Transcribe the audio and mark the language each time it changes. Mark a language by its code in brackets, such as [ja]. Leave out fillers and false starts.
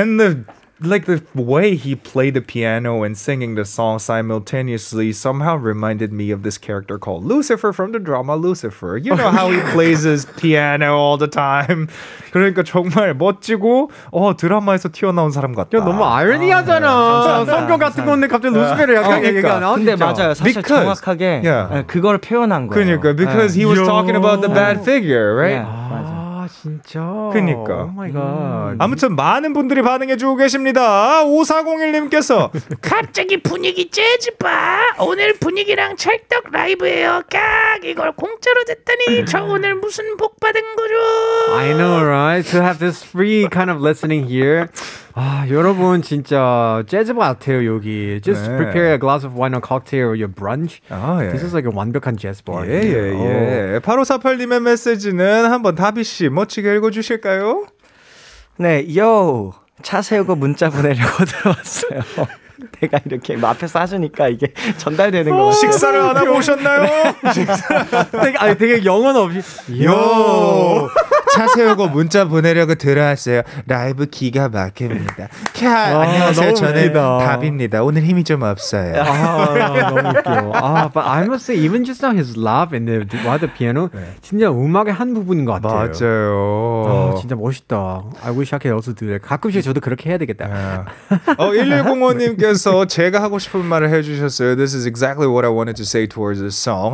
[en] And the like the way he played the piano and singing the song simultaneously somehow reminded me of this character called Lucifer from the drama Lucifer. You know how he plays his piano all the time. [ko] 그러니까 정말 멋지고 드라마에서 튀어나온 사람 같다. 야, 너무 아이러니하잖아. 성격 같은 건데 갑자기 루스베를 약간 얘기가 나. 근데 맞아요. 사실 because, 정확하게 yeah. 그걸 표현한 거예요. [en] 그러니까 because he was talking about the bad figure, right? Yeah. [ko] 진짜? 그니까 [en] oh my God. [ko] 아무튼 많은 분들이 반응해주고 계십니다 5401님께서 갑자기 분위기 재즈바 오늘 분위기랑 찰떡 라이브예요 깍 이걸 공짜로 듣다니 저 오늘 무슨 복 받은 거죠 [en] I know right to have this free kind of listening here [ko] 아 여러분 진짜 재즈바 같아요 여기 [en] just 네. prepare a glass of wine or cocktail or your brunch oh, yeah. this is like a [ko] 완벽한 재즈 [en] bar [ko] 예예예 8548님의 메시지는 한번 다비씨 멋지게 읽어주실까요? 네, 요! 차 세우고 문자 보내려고 들어왔어요. 내가 이렇게 앞에서 하시니까 이게 전달되는 거 같아요. 식사를 하나 보셨나요? 되게 영혼 없이 요! 차 세우고 문자 보내려고 들어왔어요. 라이브 기가 막힙니다. 캬, 와, 안녕하세요. 저는 답입니다. 오늘 힘이 좀 없어요. 아, 너무 웃겨. [en] 아, but I must say, even just now his laugh and while the piano, 네. [ko] 진짜 음악의 한 부분인 것 같아요. 맞아요. [en] 아, [ko] 진짜 멋있다. [en] I wish I could also do that. [ko] 가끔씩 저도 그렇게 해야 되겠다. 1105님께서 제가 하고 싶은 말을 해주셨어요. [en] This is exactly what I wanted to say towards this song.